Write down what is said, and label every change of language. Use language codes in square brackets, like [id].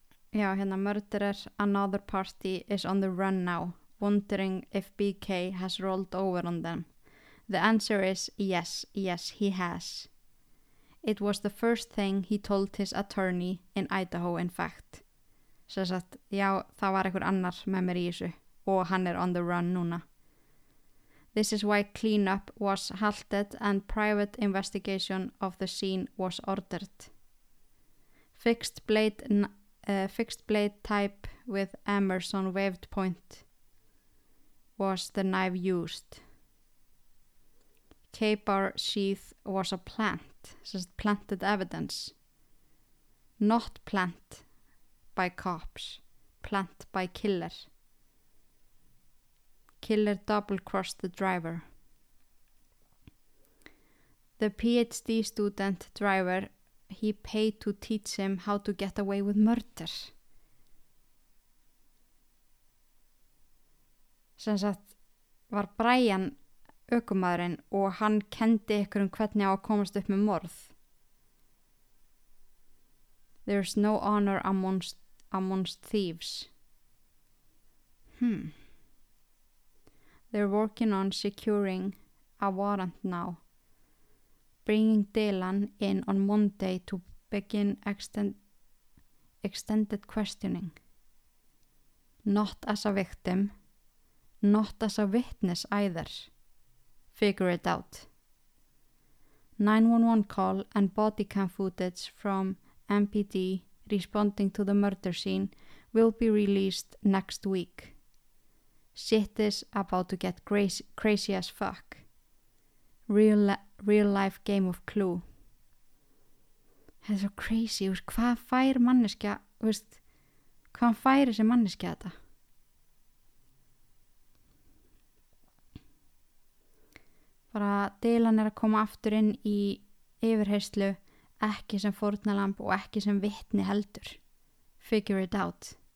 [is] Já, hérna, [en] murderer, another party is on the run now, wondering if BK has rolled over on them. The answer is yes, yes, he has. It was the first thing he told his attorney in Idaho, in fact. [is] Sess að, já, það var einhver annar með mér í þessu og hann er [en] on the run [is] núna. [en] This is why cleanup was halted and private investigation of the scene was ordered. Fixed blade type with Emerson waved point was the knife used. K-bar sheath was a plant, just planted evidence. Not plant by cops, plant by killer. Killer double-crossed the driver. The PhD student driver, he paid to teach him how to get away with murder. [is] Sem sagt, var Brian ökumaðurinn og hann kendi ykkur hvernig á að komast upp með morð. [en] There's no honor amongst thieves. They're working on securing a warrant now. Bringing Dylan in on Monday to begin extended questioning. Not as a victim. Not as a witness either. Figure it out. 911 call and body cam footage from MPD responding to the murder scene will be released next week. Shit is about to get crazy as fuck. Real life game of Clue. [is] Það svo crazy, veist, hvað fær manneskja, veist, hvað fær þessi manneskja þetta? Bara Dylan að koma aftur inn í yfirheyrslu, ekki sem fórnalamb og ekki sem vitni heldur. [en] Figure it out.